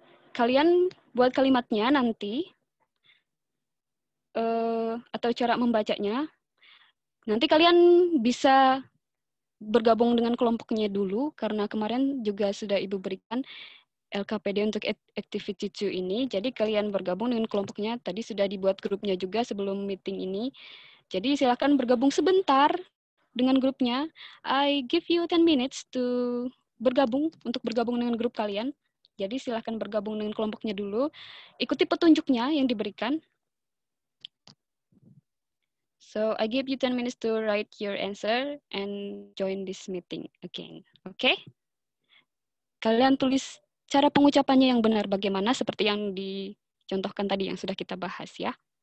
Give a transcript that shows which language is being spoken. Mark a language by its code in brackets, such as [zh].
[id] kalian buat kalimatnya nanti, atau cara membacanya, nanti kalian bisa bergabung dengan kelompoknya dulu, karena kemarin juga sudah Ibu berikan LKPD untuk activity 2 ini, jadi kalian bergabung dengan kelompoknya, tadi sudah dibuat grupnya juga sebelum meeting ini, jadi silakan bergabung sebentar dengan grupnya. [en] I give you 10 minutes to [id] bergabung, untuk bergabung dengan grup kalian. Jadi silakan bergabung dengan kelompoknya dulu. Ikuti petunjuknya yang diberikan. [en] So, I give you 10 minutes to write your answer and join this meeting again. Okay? [id] Kalian tulis cara pengucapannya yang benar bagaimana, seperti yang dicontohkan tadi yang sudah kita bahas ya.